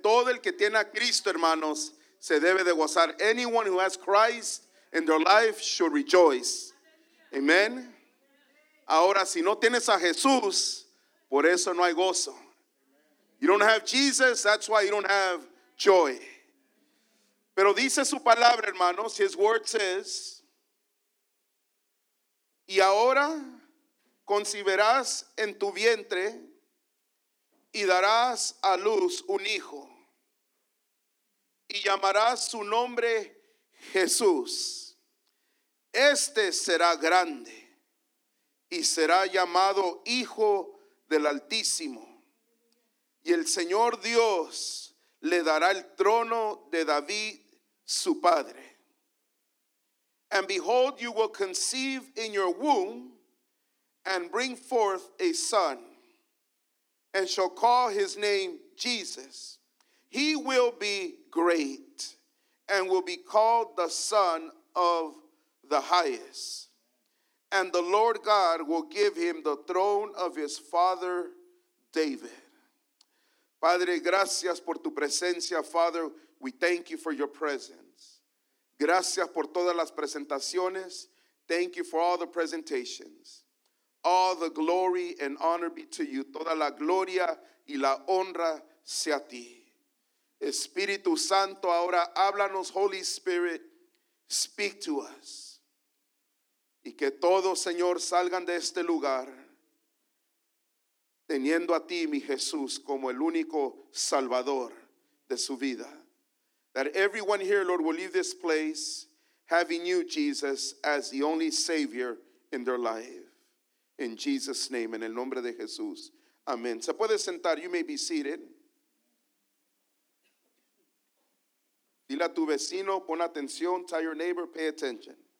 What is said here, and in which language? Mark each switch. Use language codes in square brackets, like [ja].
[es] Todo el que tiene a Cristo, hermanos, se debe de gozar. [en] Anyone who has Christ in their life should rejoice. Amen. [es] Ahora, si no tienes a Jesús, por eso no hay gozo. [en] You don't have Jesus, that's why you don't have joy. [es] Pero dice su palabra, hermanos, [en] his word says, [es] y ahora concibirás en tu vientre y darás a luz un hijo. Y llamarás su nombre Jesús. Este será grande y será llamado Hijo del Altísimo. Y el Señor Dios le dará el trono de David, su padre. [en] And behold, you will conceive in your womb and bring forth a son, and shall call his name Jesus. He will be great and will be called the Son of God. The highest, and the Lord God will give him the throne of his father David. [es] Padre, gracias por tu presencia. [en] Father, we thank you for your presence. [es] Gracias por todas las presentaciones. [en] Thank you for all the presentations. All the glory and honor be to you. [es] Toda la gloria y la honra sea a ti. Espíritu Santo, ahora háblanos, [en] Holy Spirit, speak to us. [es] Y que todos, Señor, salgan de este lugar teniendo a ti, mi Jesús, como el único salvador de su vida. [en] That everyone here, Lord, will leave this place having you, Jesus, as the only Savior in their life. In Jesus' name, [es] en el nombre de Jesús. Amén. Se puede sentar. [en] You may be seated. [es] Dile a tu vecino, pon atención. [en] Tell your neighbor, pay attention.